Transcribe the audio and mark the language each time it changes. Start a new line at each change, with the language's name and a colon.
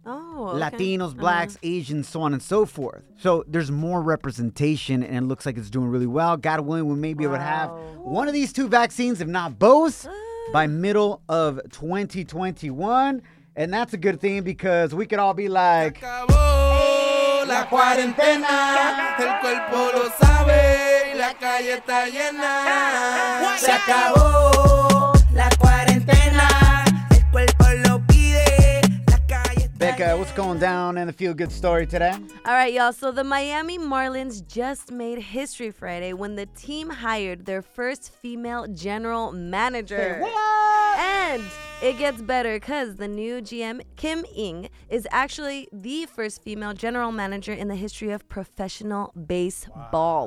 English: Latinos, Blacks, Asians, so on and so forth. So there's more representation, and it looks like it's doing really well. God willing, we may be able to have one of these two vaccines, if not both, by middle of 2021. And that's a good thing because we could all be like,
Spanish: acabó la cuarentena, el cuerpo lo sabe, la calle está llena. Se acabó la cuarentena, el cuerpo lo pide, la calle está llena.
English: Becca, what's going down in the feel good story today? All right, y'all. So the Miami Marlins just made history Friday when the team hired their first female general manager. Say what? And it gets better because the new GM, Kim Ng, is actually the first female general manager in the history of professional baseball.